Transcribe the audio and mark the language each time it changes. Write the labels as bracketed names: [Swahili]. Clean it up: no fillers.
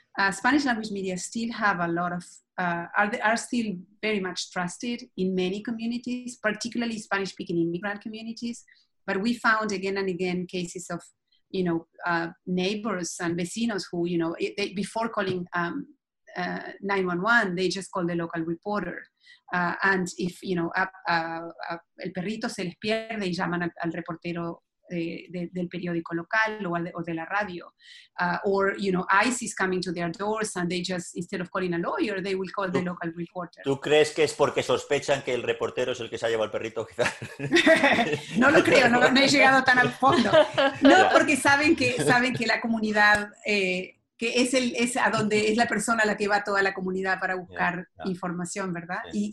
[English] Spanish language media still have a lot of, are still very much trusted in many communities, particularly Spanish speaking immigrant communities. But we found again and again cases of, neighbors and vecinos who, they, before calling 911, they just call the local reporter. And if, [Spanish] el perrito se les pierde, y llaman al reportero del periódico local o de la radio. [English] Or ICE is coming to their doors and they just, instead of calling a lawyer, they will call the local reporter. [Spanish] ¿Tú crees que es porque sospechan que el reportero es el que se ha llevado al perrito? No lo creo, no me he llegado tan al fondo. No, porque saben que la comunidad... que es a donde es la persona a la que va toda la comunidad para buscar información, ¿verdad? Sí.